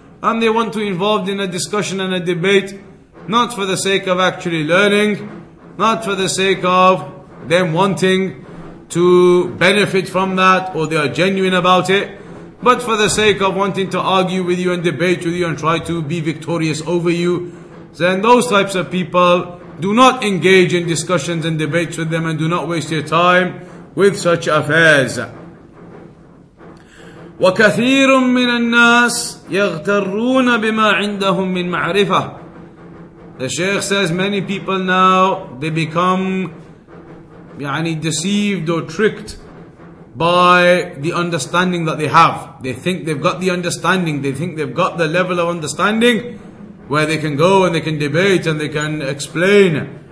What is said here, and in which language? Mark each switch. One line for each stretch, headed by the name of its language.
English: And they want to be involved in a discussion and a debate, not for the sake of actually learning, not for the sake of them wanting to benefit from that, or they are genuine about it, but for the sake of wanting to argue with you and debate with you and try to be victorious over you. Then those types of people, do not engage in discussions and debates with them, and do not waste your time with such affairs.
Arabic: وكثير من الناس يغترون بما عندهم من معرفة.
English: The Shaykh says many people now, they become يعني deceived or tricked by the understanding that they have. They think they've got the understanding, they think they've got the level of understanding where they can go and they can debate and they can explain